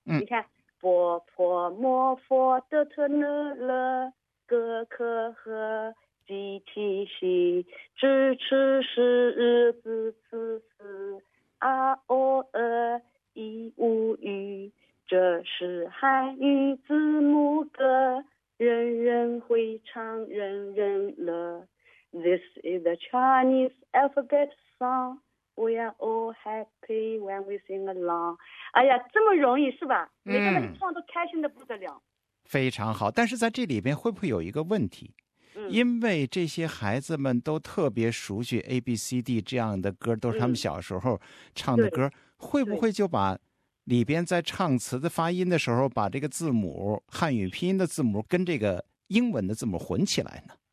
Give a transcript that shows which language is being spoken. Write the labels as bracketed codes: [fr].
[zh] 你看，波泼莫佛德特勒勒，格克和基提西，支持是日子次次，啊哦呃一五语，这是汉语字母歌，人人会唱，人人乐。 [en] This is the Chinese alphabet song. We are all happy when we sing along. [zh] 哎呀，这么容易是吧？每个人唱都开心的不得了，非常好。但是在这里边会不会有一个问题？因为这些孩子们都特别熟悉 ABCD 这样的歌，都是他们小时候唱的歌，会不会就把里边在唱词的发音的时候把这个字母汉语拼音的字母跟这个英文的字母混起来呢？